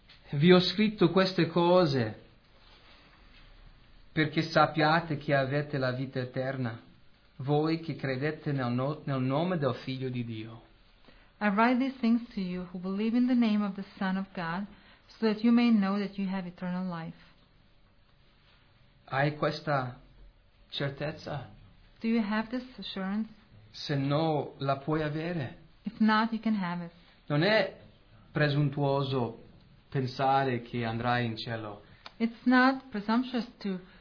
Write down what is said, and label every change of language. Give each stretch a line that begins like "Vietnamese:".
Italian: Vi ho scritto queste cose perché sappiate che avete la vita eterna, voi che credete nel nome del Figlio di Dio.
English: I write these things to you who believe in the name of the Son of God, so that you may know that you have eternal life.
Italian: Hai questa certezza?
English: Do you have this assurance?
Italian: Se no, la puoi avere.
English: If not, you can have it.
Italian: Non è presuntuoso pensare che andrai in cielo.
English: It's not presumptuous to